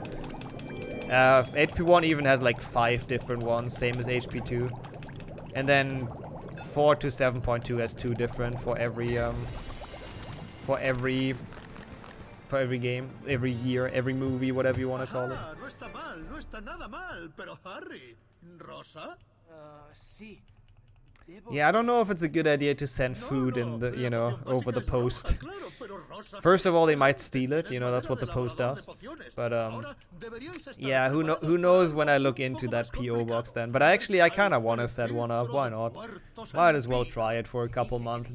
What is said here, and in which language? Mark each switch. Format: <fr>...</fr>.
<en>HP1 even has like 5 different ones, same as HP2. And then 4 to 7.2 has 2 different for every game, every year, every movie, whatever you want to call it.</en> <es>No está mal, no está nada mal, pero Harry, Rosa? Sí.</es> <en>Yeah, I don't know if it's a good idea to send food in the, you know, over the post. First of all, they might steal it, you know, that's what the post does. But, yeah, who knows when I look into that P.O. box then. But I kind of want to set one up, why not? Might as well try it for a couple months.</en>